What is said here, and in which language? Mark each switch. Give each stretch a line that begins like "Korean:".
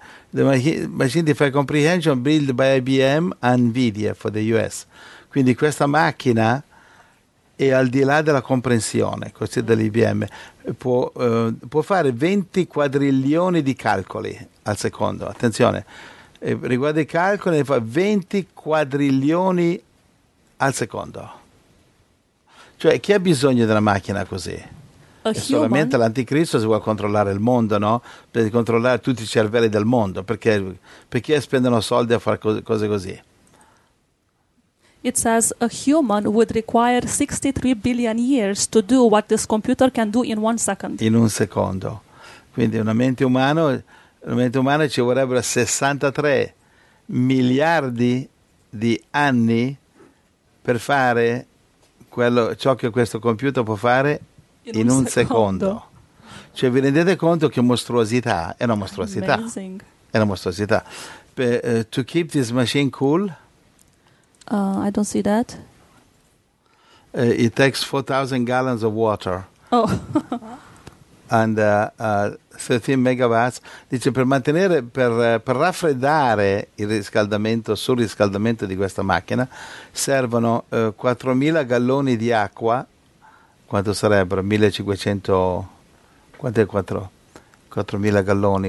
English: The machine defy comprehension built by IBM and NVIDIA for the US.
Italian: Quindi questa macchina è al di là della comprensione, così dell'IBM. Può fare 20 quadrilioni di calcoli al secondo. Attenzione. E riguardo i calcoli ne fa 20 quadrilioni al secondo. Cioè, chi ha bisogno di una macchina così? Solamente l'anticristo si vuole controllare il mondo, no? Per controllare tutti i cervelli del mondo. Perché spendono soldi a fare cose così?
English: It says a human would require 63 billion years to do what this computer can do in one second.
Italian: In un secondo. Quindi una mente umana... La mente umana ci vorrebbero 63 miliardi di anni per fare ciò che questo computer può fare in un secondo. Cioè, vi rendete conto che mostruosità? È una mostruosità.
English: Amazing.
Italian: È una mostruosità.
English: To keep this machine cool? I don't see that. It takes 4,000 gallons of water. Oh. And 13 megawatts,
Italian: dice, per raffreddare il riscaldamento, sul riscaldamento di questa macchina, servono 4.000 galloni di acqua, quanto sarebbero? 1.500, quanto è 4.000 galloni?